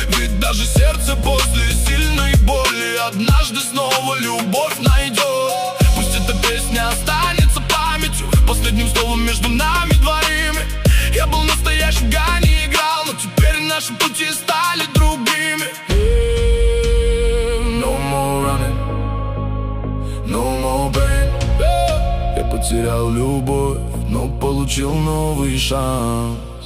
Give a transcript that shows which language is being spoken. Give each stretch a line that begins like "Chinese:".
Russian: Ведь даже сердце после сильной боли однажды снова любовь найдет. Пусть эта песня останется памятью, последним словом между нами двоими. Я был настоящим Ганни, играл, но теперь наши пути стали другими.
English: No more running, no more pain.
Russian: Я потерял любовь, но получил новый шанс.